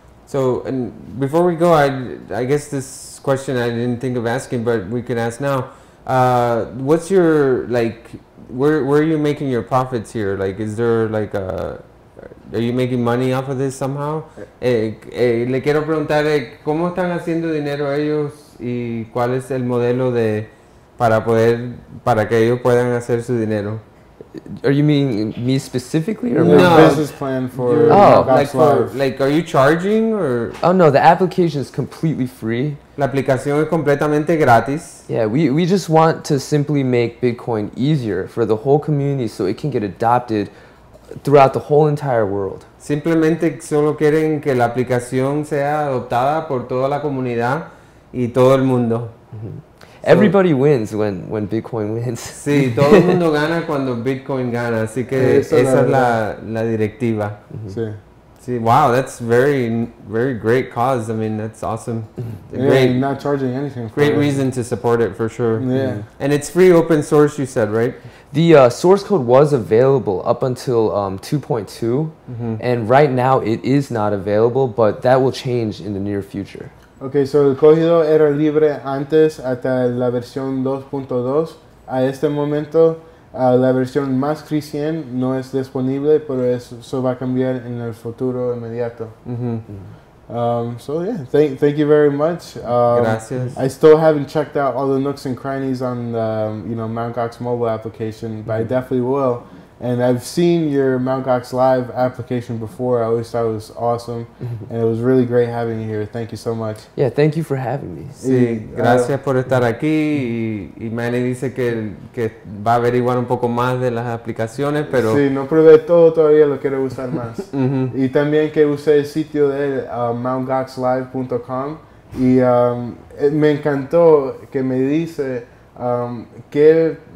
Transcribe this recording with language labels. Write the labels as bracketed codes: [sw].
[en] So, and before we go, I guess this question I didn't think of asking, but we can ask now. What's your, like, where are you making your profits here? Like, is there, like, are you making money off of this somehow? [es] Le quiero preguntar, ¿cómo están haciendo dinero ellos? ¿Y cuál es el modelo de, para que ellos puedan hacer su dinero? [en] Are you meaning me specifically or no, business plan for are you charging or? Oh no, the application is completely free. [es] La aplicación es completamente gratis. [en] Yeah, we just want to simply make Bitcoin easier for the whole community so it can get adopted throughout the whole entire world. [es] Simplemente solo quieren que la aplicación sea adoptada por toda la comunidad y todo el mundo. [en] Mm-hmm. Everybody wins when Bitcoin wins. [es] Sí, todo el mundo gana cuando Bitcoin gana, así que esa es la directiva. Mm-hmm. Sí. [en] Sí, wow, that's very, very great cause. I mean, that's awesome. Yeah, great, not charging anything. Great reason to support it, for sure. Yeah. Mm-hmm. And it's free open source, you said, right? The source code was available up until 2.2, mm-hmm. and right now it is not available, but that will change in the near future. Okay, so [es] el código era libre antes hasta la versión 2.2. A este momento, la versión más reciente no es disponible, pero eso va a cambiar en el futuro inmediato. Mm-hmm. [en] So yeah, thank you very much. [es] Gracias. [en] I still haven't checked out all the nooks and crannies on the Mt. Gox mobile application, mm-hmm. but I definitely will. And I've seen your Mt. Gox Live application before. I always thought it was awesome. And it was really great having you here. Thank you so much. Yeah, thank you for having me. [es] Sí, gracias por estar aquí. Y Manny dice que va a averiguar un poco más de las aplicaciones, pero... Sí, no probé todo todavía, lo quiero usar más. Y también que usé el sitio de mtgoxlive.com. Y me encantó que me dice que...